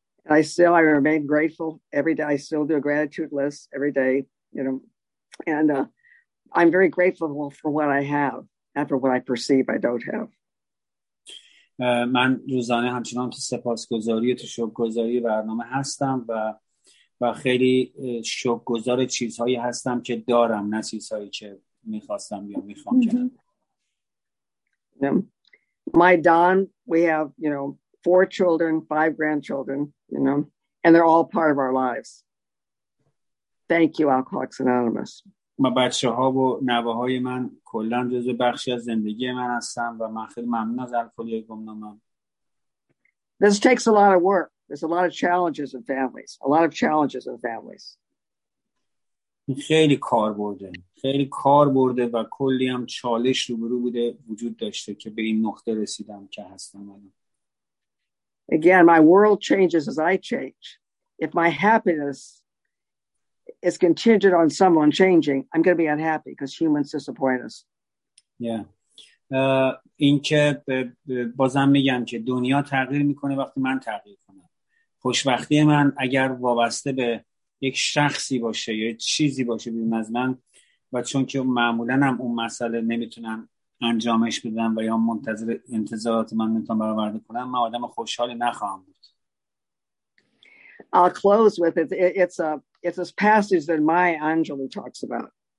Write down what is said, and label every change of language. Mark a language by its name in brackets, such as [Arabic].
[English] I remain grateful every day. I still do a gratitude list every day, you know, and I'm very grateful for what I have and for what I perceive I don't have. [Persian] من روزانه همچنان تو سپاسگزاری و تو شکرگزاری برنامه هستم و خیلی شکرگزار چیزهایی هستم که دارم، نه چیزهایی که میخواستم یا میخوام. [English] My Don, we have, you know, 4 children, 5 grandchildren, you know, and they're all part of our lives. Thank you, Alcoholics Anonymous. [Persian] ما بچه ها و نوه های من کلن جز بخشی از زندگی من هستم و من خیلی ممنون از الکلی گمنامم. [English] This takes a lot of work. There's a lot of challenges in families. A lot of challenges in families. [Persian] خیلی کار برده. خیلی کار برده و کلی هم چالش روبرو بوده وجود داشته که به این نقطه رسیدم که هستم. [English] Again, my world changes as I change. If my happiness is contingent on someone changing, I'm going to be unhappy because humans disappoint us. Yeah. [Persian] این که بازم میگم که دنیا تغییر میکنه وقتی من تغییر کنم. خوشبختی من اگر وابسته به یک شخصی باشه یا چیزی باشه بیرون از من، و چون که معمولا هم اون مسئله نمیتونم انجامش بدم و یا منتظر انتظارات من نمیتونم برآورده کنم، من آدم خوشحالی نخواهم بود. [English] I'll close with it. It's a passage that Maya Angelou talks about.